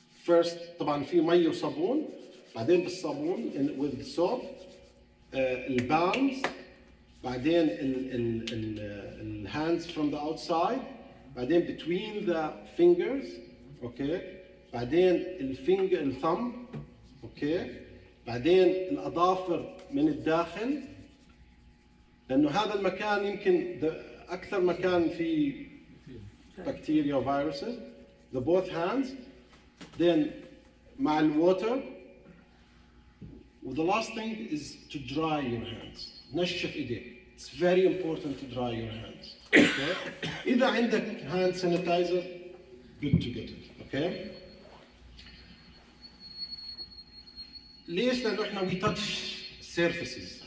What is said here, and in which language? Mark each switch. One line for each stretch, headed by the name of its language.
English: First,
Arabic: طبعا في مي وصابون بعدين بالصابون
English: with the soap
Arabic: البالمز بعدين ال
English: hands from the outside
Arabic: بعدين
English: between the fingers okay
Arabic: بعدين الفينجر الثم okay بعدين الأظافر من الداخل لأنه هذا المكان يمكن أكثر مكان في بكتيريا وفيروسز
English: the both hands Then,
Arabic: مع الwater.
English: The last thing is to dry your hands.
Arabic: نشف إيديك.
English: It's very important to dry your hands. Okay.
Arabic: إذا عندك
English: hand sanitizer, good to get it. Okay.
Arabic: ليش لأنه إحنا
English: we touch surfaces.